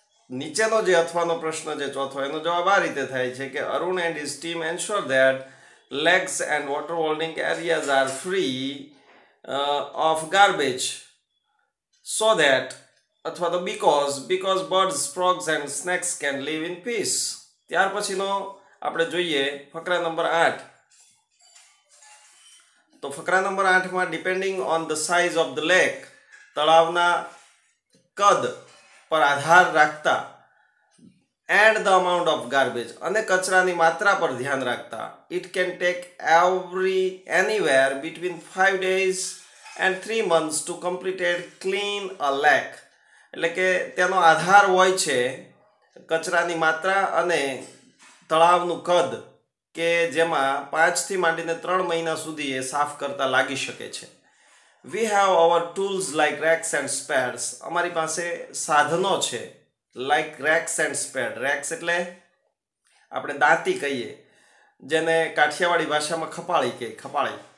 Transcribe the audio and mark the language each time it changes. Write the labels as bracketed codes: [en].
[gu] નીચેનો જે અથવાનો પ્રશ્ન છે ચોથો, એનો જવાબ આ રીતે થાય છે કે [en] Arun and his team ensure that lakes and water holding areas are free of garbage so that, [gu] અથવા તો [en] Because birds, frogs and snakes can live in peace. [gu] ત્યાર પછીનો આપણે જોઈએ ફકરા નંબર 8. તો ફકરા number 8માં [en] depending on the size of the lake, [gu] તળાવના કદ પર આધાર રાખતા [en] and the amount of garbage. [gu] અને કચરાની માત્રા પર ધ્યાન રાખતા. [en] It can take anywhere between 5 days and 3 months to complete it clean a lake. [gu] એટલે કે તેનો આધાર હોય છે કચરાની માત્રા અને તળાવનું કદ કે જેમાં 5 થી માંડીને 3 મહિના સુધી એ સાફ કરતા લાગી શકે છે. [en] We have our tools like racks and spares. [gu] અમારી પાસે સાધનો છે. [en] Like racks and spare. [gu] Racks એટલે આપણે દાંતી કહીએ, જેને કાઠિયાવાડી ભાષામાં ખપાળી કહે, ખપાળી.